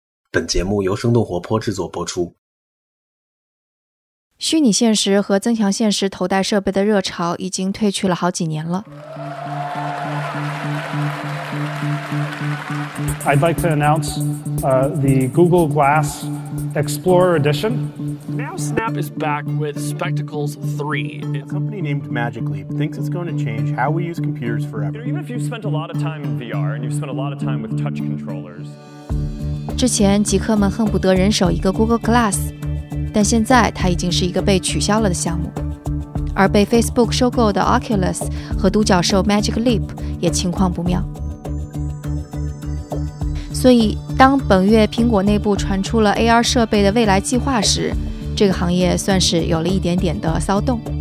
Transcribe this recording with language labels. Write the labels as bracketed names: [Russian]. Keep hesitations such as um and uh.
[Chinese] 本节目由生动活泼制作播出。虚拟现实和增强现实头戴设备的热潮已经退去了好几年了。 [English] would like to announce uh, the Google Glass Explorer Edition. Now Snap is back with Spectacles 3. It's... A company named Magic Leap thinks it's going to change how we use computers forever. even if you've spent a lot of time in VR and you've spent a lot of time with touch controllers. [Chinese] 之前，极客们恨不得人手一个 Google Glass，但现在它已经是一个被取消了的项目。而被 Facebook 收购的 Oculus 和独角兽 Magic Leap 也情况不妙。所以，当本月苹果内部传出了 AR 设备的未来计划时，这个行业算是有了一点点的骚动。